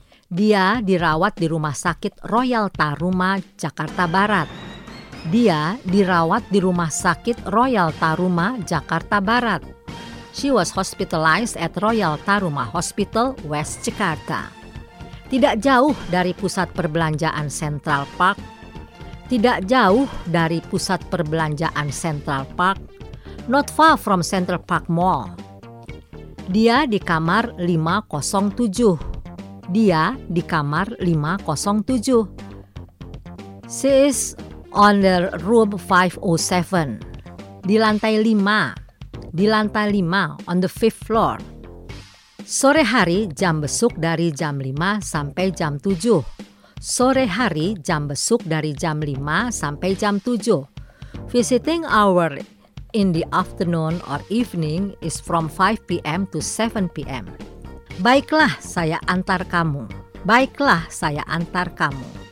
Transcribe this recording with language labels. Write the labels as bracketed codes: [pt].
[id] Dia dirawat di rumah sakit Royal Taruma, Jakarta Barat. Dia dirawat di rumah sakit Royal Taruma, Jakarta Barat. [en] She was hospitalized at Royal Taruma Hospital, West Jakarta. [id] Tidak jauh dari pusat perbelanjaan Central Park. Tidak jauh dari pusat perbelanjaan Central Park. [en] Not far from Central Park Mall. [id] Dia di kamar 507. [en] Dia di kamar 507. She is on the room 507. [id] Di lantai 5. [en] Di lantai 5, on the fifth floor. [id] Sore hari jam besuk dari jam 5 sampai jam 7. Sore hari jam besuk dari jam 5 sampai jam 7. [en] Visiting hour in the afternoon or evening is from 5 p.m. to 7 p.m. [id] Baiklah, saya antar kamu. Baiklah, saya antar kamu.